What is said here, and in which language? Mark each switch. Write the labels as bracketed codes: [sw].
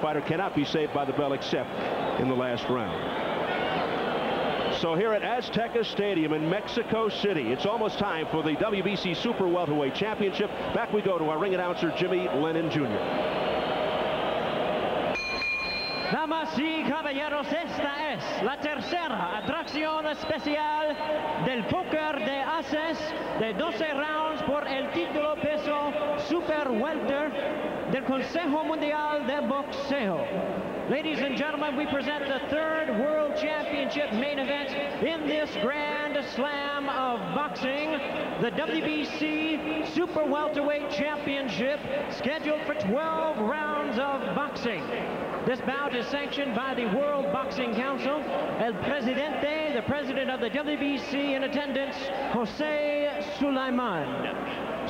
[en] Fighter cannot be saved by the bell except in the last round. So here at Azteca Stadium in Mexico City, it's almost time for the WBC Super Welterweight Championship. Back we go to our ring announcer, Jimmy Lennon Jr. [es] Damas y caballeros, esta es la tercera atracción especial del póker de ases de 12 rounds por el título peso Super Welter del Consejo Mundial de Boxeo. [en] Ladies and gentlemen, we present the third World Championship main event in this Grand Slam of Boxing, the WBC Super Welterweight Championship, scheduled for 12 rounds of boxing. This bout is sanctioned by the World Boxing Council. El Presidente, the President of the WBC, in attendance, Jose Sulaiman.